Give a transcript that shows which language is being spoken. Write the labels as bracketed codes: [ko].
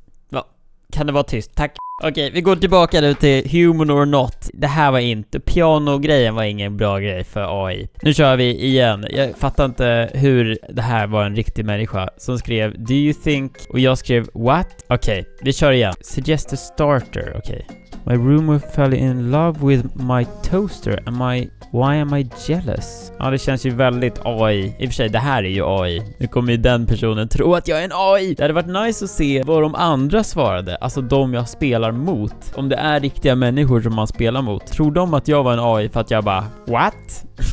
[sv] Va? Kan det vara tyst? Tack. Okej, vi går tillbaka nu till human or not. Det här var inte... Piano-grejen var ingen bra grej för AI. Nu kör vi igen. Jag fattar inte hur det här var en riktig människa som skrev [en] do you think... [sv] Och jag skrev [en] what? [sv] Okej, vi kör igen. [en] Suggest a starter, [sv] okej. [en] My roommate fell in love with my toaster. Why am I jealous? [sv] Ja, det känns ju väldigt AI. I och för sig, det här är ju AI. Nu kommer ju den personen tro att jag är en AI. Det hade varit nice att se vad de andra svarade. Alltså de jag spelar mot. Om det är riktiga människor som man spelar mot. Tror de att jag var en AI för att jag bara... [en] What?